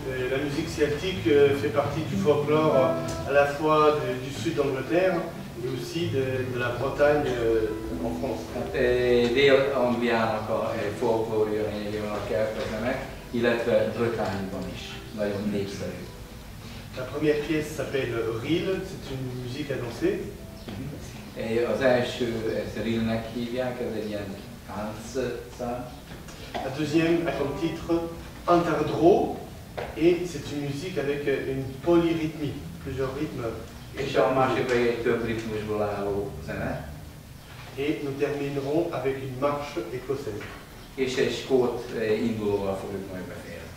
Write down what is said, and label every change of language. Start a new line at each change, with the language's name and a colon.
French: La musique celtique fait partie du folklore à la fois du sud d'Angleterre et aussi de la Bretagne en France.
Hungarian: Dél-Angliának a folklórja lényegében a keltezemek, illetve Bretagne-ban is nagyon népszerű.
French: La première pièce s'appelle Reel, c'est une musique à danser.
Hungarian: Et az első, ezt Reel-nek hívják, ez egy ilyen tánc-szá.
French: La deuxième a comme titre Interdro, et c'est une musique avec une polyrythmie, plusieurs rythmes.
Hungarian: És a másik egy több ritmusból álló zene.
French: Et nous terminerons avec une marche écossaise.
Hungarian: És egy skót indulóval fogjuk majd befejezni.